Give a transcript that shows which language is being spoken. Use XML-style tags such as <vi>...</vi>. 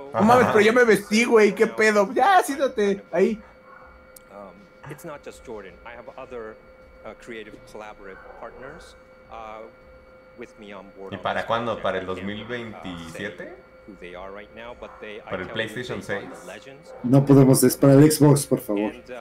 <es>No mames, pero yo me vestí, güey, qué pedo. Ya, siéntate, ahí.</es> <en>It's not just Jordan. I have other creative collaborative partners with me on board.</en> <es>¿Y para cuándo? ¿Para el 2027?</es> <en>They are right now, but they,</en> <es>para el</es> <en>PlayStation 6.</en> <es>No podemos, es para el Xbox, por favor.</es>